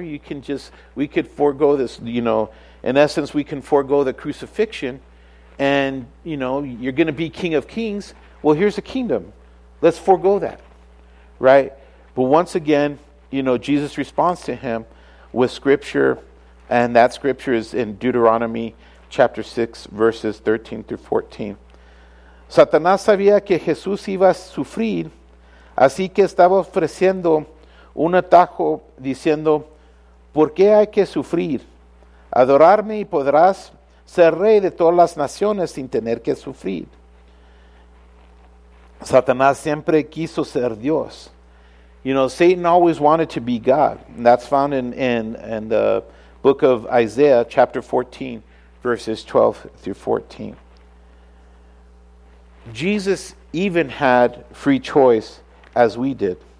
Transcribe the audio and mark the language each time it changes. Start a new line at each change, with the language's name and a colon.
English: You can just, we could forego this, you know, in essence, we can forego the crucifixion and, you know, you're going to be King of Kings. Well, here's a kingdom. Let's forego that, right? But once again, you know, Jesus responds to him with scripture, and that scripture is in Deuteronomy chapter 6, verses 13 through 14.
Spanish: Satanás sabía que Jesús iba a sufrir, así que estaba ofreciendo un atajo diciendo, ¿por qué hay que sufrir? Adorarme y podrás ser rey de todas las naciones sin tener que sufrir. Satanás siempre quiso ser Dios.
English: You know, Satan always wanted to be God. And that's found in the book of Isaiah, chapter 14, verses 12 through 14. Jesus even had free choice as we did.